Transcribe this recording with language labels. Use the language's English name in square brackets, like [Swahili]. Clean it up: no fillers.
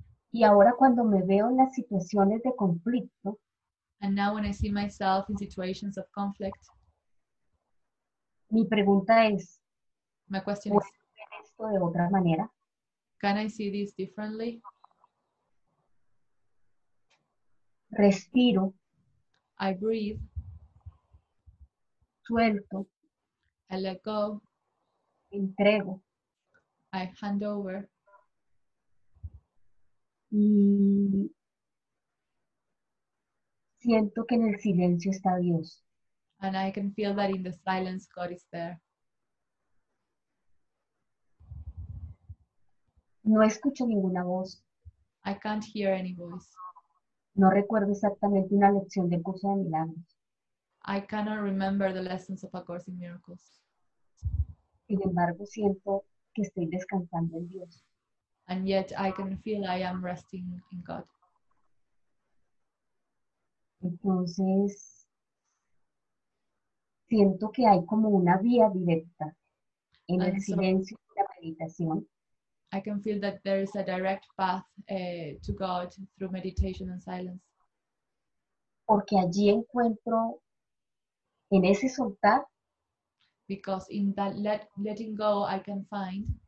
[Spanish] Y ahora cuando me veo en las situaciones de conflicto, [English] and now when I see myself in situations of conflict, [Spanish] mi pregunta es. [English] My question is, [Spanish] ¿puedo ver esto de otra manera? [English] Can I see this differently? [Spanish] Respiro. [English] I breathe. [Spanish] Suelto. [English] I let go. [Spanish] Entrego. [English] I hand over. [Spanish] Y siento que en el silencio está Dios. [English] And I can feel that in the silence God is there. [Spanish] No escucho ninguna voz. [English] I can't hear any voice. [Spanish] No recuerdo exactamente una lección del curso de milagros. [English] I cannot remember the lessons of A Course in Miracles. [Spanish] Sin embargo, siento que estoy descansando en Dios. [English] And yet I can feel I am resting in God. [Spanish] Entonces, siento que hay como una vía directa en el silencio y la meditación. [English] I can feel that there is a direct path to God through meditation and silence. [Spanish] Porque allí encuentro en ese soltar. [English] Because in that letting go, I can find.